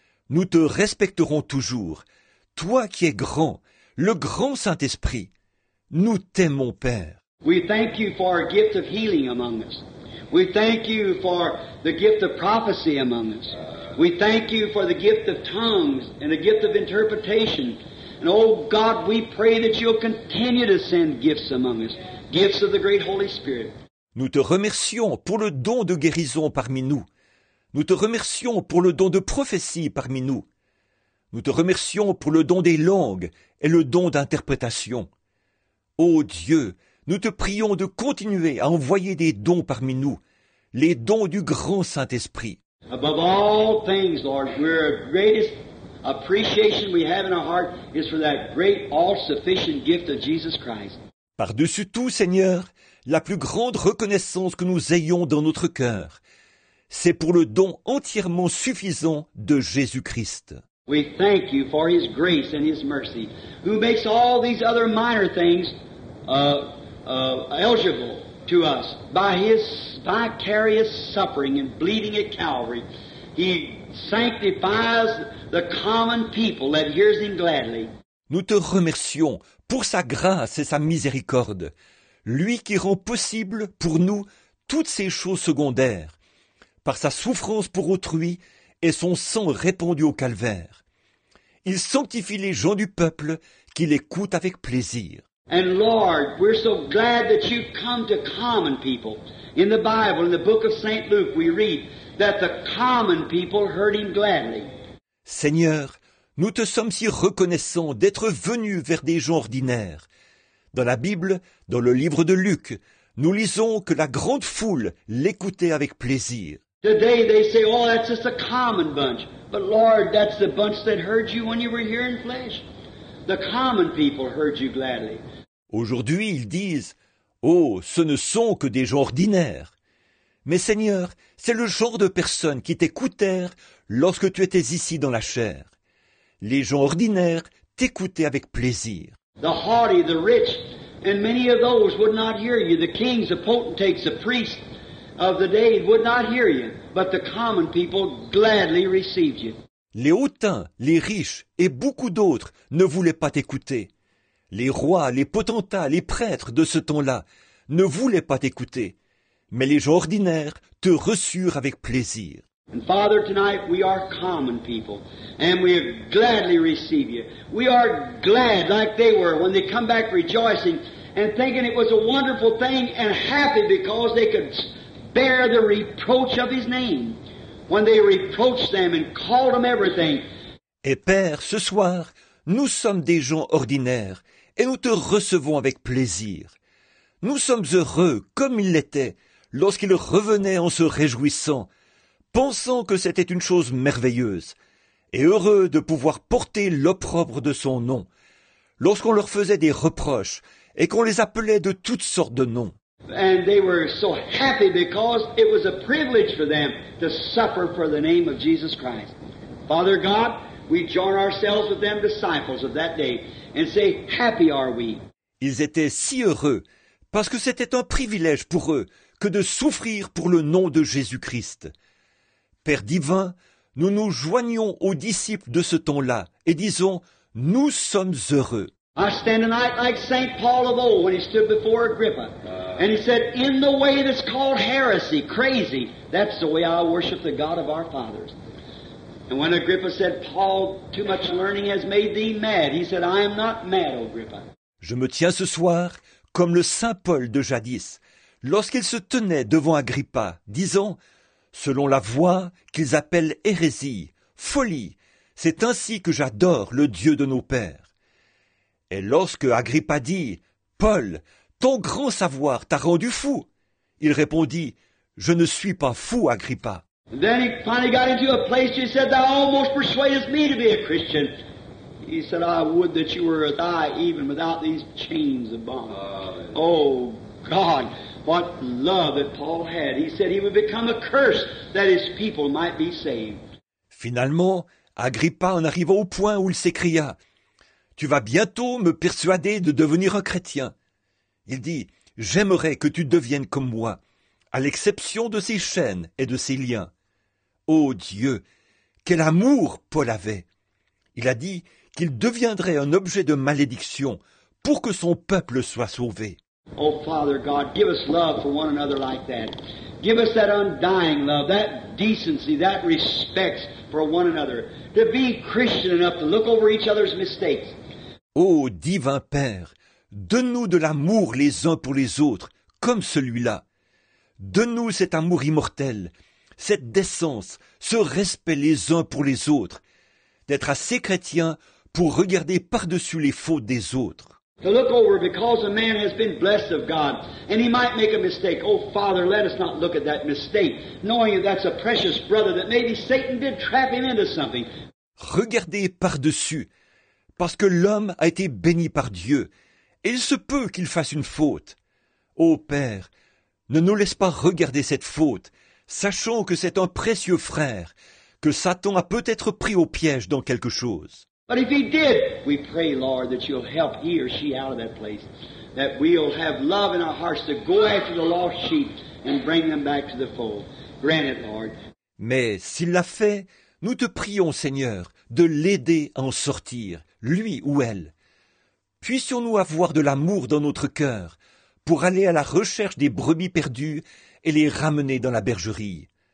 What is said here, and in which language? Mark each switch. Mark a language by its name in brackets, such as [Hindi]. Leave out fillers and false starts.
[French] Nous te respecterons toujours, toi qui es grand, le grand Saint-Esprit. Nous t'aimons, Père. [English] We thank you for our gift of healing among us. We thank you for the gift of prophecy among us. We thank you for the gift of tongues and the gift of interpretation. And oh God, we pray that you'll continue to send gifts among us, gifts of the great Holy Spirit. [French] Nous te remercions pour le don de guérison parmi nous. Nous te remercions pour le don de prophétie parmi nous. Nous te remercions pour le don des langues et le don d'interprétation. Ô Dieu, nous te prions de continuer à envoyer des dons parmi nous, les dons du grand Saint-Esprit. [English] Above all things, Lord, we're the greatest appreciation we have in our heart is for that great all-sufficient gift of Jesus Christ. [French] Par-dessus tout, Seigneur, la plus grande reconnaissance que nous ayons dans notre cœur, c'est pour le don entièrement suffisant de Jésus-Christ. [English] We thank you for his grace and his mercy, who makes all these other minor things eligible to us by his vicarious suffering and bleeding at Calvary. He sanctifies the common people that hears him gladly. [French] Nous te remercions pour sa grâce et sa miséricorde, lui qui rend possible pour nous toutes ces choses secondaires, par sa souffrance pour autrui et son sang répandu au calvaire. Il sanctifie les gens du peuple qui l'écoutent avec plaisir. [English] And Lord, we're so glad that you come to common people. In the Bible, in the book of Saint Luke, we read that the common people heard him gladly. [French] Seigneur, nous te sommes si reconnaissants d'être venus vers des gens ordinaires. Dans la Bible, dans le livre de Luc, nous lisons que la grande foule l'écoutait avec plaisir. [English] Today they say, oh, that's just a common bunch. But Lord, that's the bunch that heard you when you were here in flesh. The common people heard you gladly. [French] Aujourd'hui, ils disent, oh, ce ne sont que des gens ordinaires. Mais Seigneur, c'est le genre de personnes qui t'écoutèrent lorsque tu étais ici dans la chair. Les gens ordinaires t'écoutaient avec plaisir. [English] The haughty, the rich, and many of those would not hear you. The kings, the potentates, the priests of the day would not hear you. But the common people gladly received you. [French] Les hautains, les riches et beaucoup d'autres ne voulaient pas t'écouter. Les rois, les potentats, les prêtres de ce temps-là ne voulaient pas t'écouter. Mais les gens ordinaires te reçurent avec plaisir. [English] And Father, tonight we are common people, and we gladly receive you. We are glad like they were when they come back rejoicing and thinking it was a wonderful thing and happy because they could bear the reproach of his name when they reproached them and called them everything. [French] Et Père, ce soir, nous sommes des gens ordinaires et nous te recevons avec plaisir. Nous sommes heureux comme ils l'étaient lorsqu'ils revenaient en se réjouissant, pensant que c'était une chose merveilleuse, et heureux de pouvoir porter l'opprobre de son nom, lorsqu'on leur faisait des reproches et qu'on les appelait de toutes sortes de noms. [English] And they were so happy because it was a privilege for them to suffer for the name of Jesus Christ. Father God, we join ourselves with them disciples of that day and say, happy are we. [French] Ils étaient si heureux parce que c'était un privilège pour eux que de souffrir pour le nom de Jésus-Christ. Père divin, nous nous joignons aux disciples de ce temps-là et disons, nous sommes heureux. [English] I stand tonight like St. Paul of old when he stood before Agrippa. And he said, in the way that's called heresy, crazy, that's the way I worship the God of our fathers. And when Agrippa said, Paul, too much learning has made thee mad. He said, I am not mad, Agrippa. [French] Je me tiens ce soir comme le Saint Paul de jadis, lorsqu'il se tenait devant Agrippa, disant, selon la voie qu'ils appellent hérésie, folie, c'est ainsi que j'adore le Dieu de nos pères. Et lorsque Agrippa dit, Paul, ton grand savoir t'a rendu fou, il répondit, je ne suis pas fou, Agrippa. [English] And then he finally got into a place where he said, thou almost persuadest me to be a Christian. He said, I would that you were with I even without these chains of bond. Oh, God, what love that Paul had. He said he would become a curse that his people might be saved. [French] Finalement, Agrippa en arriva au point où il s'écria, tu vas bientôt me persuader de devenir un chrétien. Il dit, j'aimerais que tu deviennes comme moi, à l'exception de ses chaînes et de ses liens. Ô Dieu, quel amour Paul avait! Il a dit qu'il deviendrait un objet de malédiction pour que son peuple soit sauvé. [English] Oh, Father God, give us love for one another like that. Give us that undying love, that decency, that respect for one another. To be Christian enough to look over each other's mistakes. [French] Ô divin Père, donne-nous de l'amour les uns pour les autres, comme celui-là. Donne-nous cet amour immortel, cette décence, ce respect les uns pour les autres, d'être assez chrétien pour regarder par-dessus les fautes des autres. [English] To look over because a man has been blessed of God and he might make a mistake. Oh, Father, let us not look at that mistake, knowing that that's a precious brother that maybe Satan did trap him into something. [French] Regardez par-dessus, parce que l'homme a été béni par Dieu et il se peut qu'il fasse une faute. Oh, Père, ne nous laisse pas regarder cette faute, sachant que c'est un précieux frère, que Satan a peut-être pris au piège dans quelque chose. [English] But if he did, we pray, Lord, that you'll help he or she out of that place, that we'll have love in our hearts to go after the lost sheep and bring them back to the fold. Grant it, Lord. [French] Mais s'il l'a fait, nous te prions, Seigneur, de l'aider à en sortir, lui ou elle. Puissions-nous avoir de l'amour dans notre cœur pour aller à la recherche des brebis perdues et les ramener dans la bergerie.